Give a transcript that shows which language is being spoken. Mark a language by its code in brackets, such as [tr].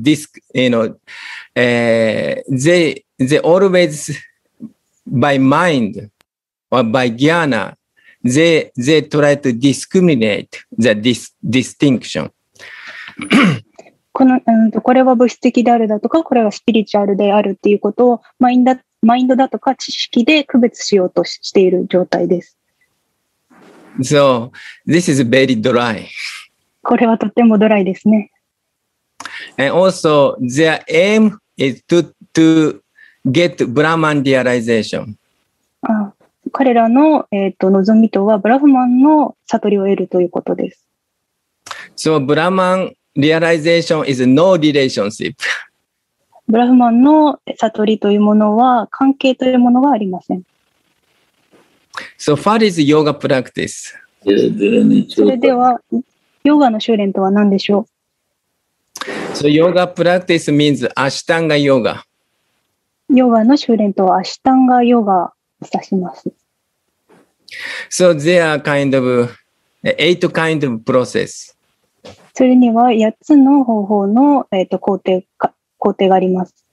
[en] This, you know, they always by mind or by ギャーナ, they try to discriminate the distinction. [ja] これは物質的であるだとか、これはスピリチュアルであるっていうことをマインドだとか知識で区別しようとしている状態です。 [en] So, this is very dry. [ja] これはとてもドライですね。 [en] And also, their aim is to get Brahman realization. [ja] 彼らの、望みとは、ブラフマンの悟りを得るということです。 [en] So, Brahmanrealization is no relationship. [ja] ブラフマンの悟りというものは関係というものがありません。 [en] So what is yoga practice? [ja] それではヨガの修練とは何でしょう? [en] So yoga practice means ashtanga yoga. [ja] ヨガの修練とはアシタンガヨガを指します。 [en] So there are kind of eight kind of process. [ja] それには8つの方法の、工程があります。